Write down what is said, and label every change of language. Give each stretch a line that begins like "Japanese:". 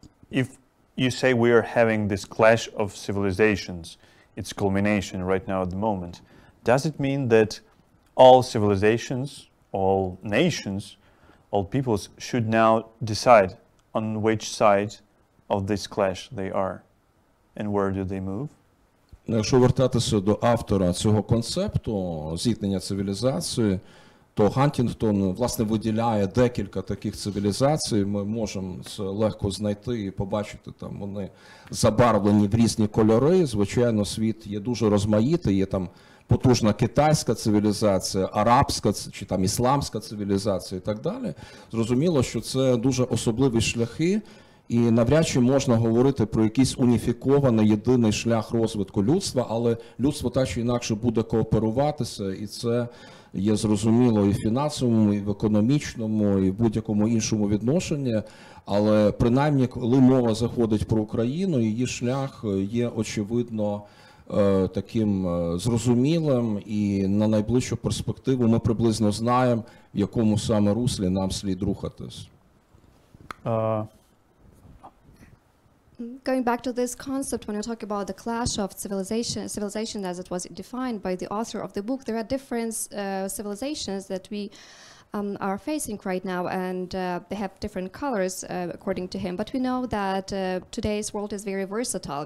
English: If you say we are having this clash of civilizations, its culmination right now at the moment, does it mean that all civilizations, all nations, all peoples should now decide on which side of this clash they are? And where do they move?
Ukrainian: Якщо вертатися до автора цього концепту зіткнення цивілізації, то Гантінгтон, власне, виділяє декілька таких цивілізацій. Ми можемо це легко знайти і побачити, там вони забарвлені в різні кольори. Звичайно, світ є дуже розмаїтий, є там потужна китайська цивілізація, арабська чи там ісламська цивілізація і так далі. Зрозуміло, що це дуже особливі шляхи, і навряд чи можна говорити про якийсь уніфікований єдиний шлях розвитку людства, але людство так чи інакше буде кооперуватися, і це є зрозуміло і в фінансовому, і в економічному, і в будь-якому іншому відношенні. Але принаймні, коли мова заходить про Україну, її шлях є очевидно таким зрозумілим, і на найближчу перспективу ми приблизно знаємо, в якому саме руслі нам слід рухатись.
English: Going back to this concept, when you talk about the clash of civilization as it was defined by the author of the book, there are different civilizations that we are facing right now, and they have different colors according to him. But we know that today's world is very versatile.